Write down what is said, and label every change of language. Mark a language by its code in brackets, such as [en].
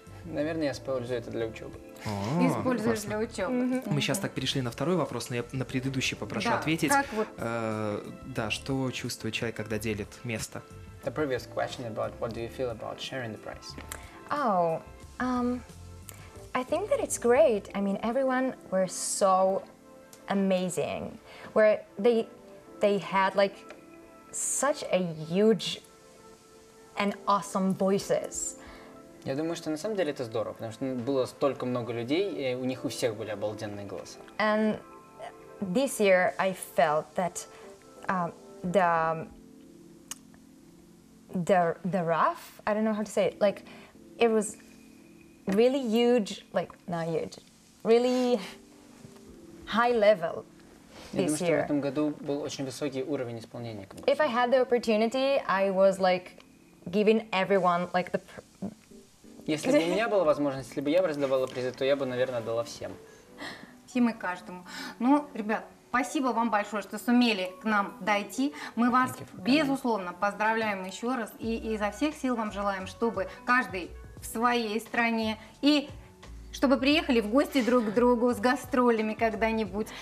[ru] Наверное, я использую это для учебы. Используешь для учебы. Mm-hmm. Мы сейчас так перешли на второй вопрос, но я на предыдущий попрошу да. ответить. Как вот... Да, что чувствует человек, когда делит место? [en] The previous question about what do you feel about sharing the price? Oh, I think that it's great. I mean, everyone were so amazing. Where they had like such a huge and awesome voices. [ru] Я думаю, что на самом деле это здорово, потому что было столько много людей, и у них у всех были обалденные голоса. [en] And this year I felt that the rough, I don't know how to say it, like it was really huge, like not huge, really high level. [ru] Я думаю, что в этом году был очень высокий уровень исполнения. [en] If I had the opportunity, I was like giving everyone like the [ru] Если бы у меня была возможность, если бы я раздавала призы, то я бы, наверное, дала всем. Всем и каждому. Ну, ребят, спасибо вам большое, что сумели к нам дойти. Мы вас, безусловно, поздравляем еще раз. И изо всех сил вам желаем, чтобы каждый в своей стране и чтобы приехали в гости друг к другу с гастролями когда-нибудь.